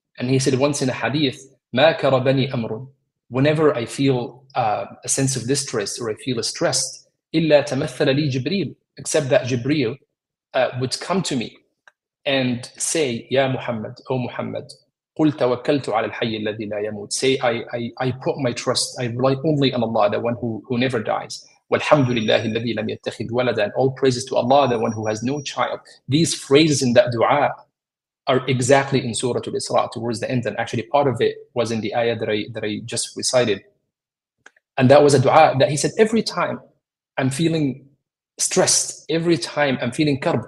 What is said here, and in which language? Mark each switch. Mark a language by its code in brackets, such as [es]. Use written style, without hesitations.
[en] And he said once in a hadith, [ar] مَا كَرَبَنِي أَمْرٌ. [en] Whenever I feel a sense of distress or I feel stressed, [ar] إلا تمثل لي جبريل, [en] except that Jibreel would come to me and say, Ya Muhammad, O Muhammad, [ar] قل توكلت على الحي الذي لا يموت. [en] Say, I put my trust, I rely only on Allah, the one who never dies. [ar] والحمد لله الذي لم يتخذ ولدا. [en] And all praises to Allah, the one who has no child. These phrases in that dua are exactly in Surah Al-Isra towards the end. And actually part of it was in the ayah that I just recited. And that was a dua that he said, every time I'm feeling stressed, every time I'm feeling karb.